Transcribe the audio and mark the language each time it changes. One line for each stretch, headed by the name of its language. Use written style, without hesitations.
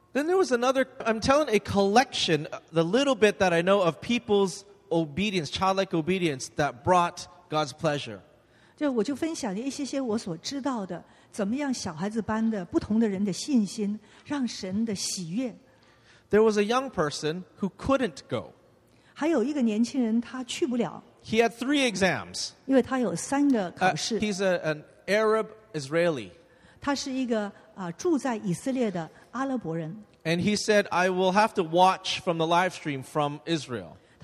English: Then there was another, I'm telling a collection, the little bit that I know of people's obedience, childlike obedience, that brought God's pleasure.
Chinese: 就我就分享了一些些我所知道的，怎么样小孩子般的不同的人的信心，让神的喜悦。
English: There was a young person who couldn't go.
Chinese: 还有一个年轻人他去不了。
English: He had three exams.
Chinese: 因为他有三个考试。
English: He's an Arab Israeli.
Chinese: 他是一个住在以色列的阿拉伯人。
English: And he said, I will have to watch from the live stream from Israel.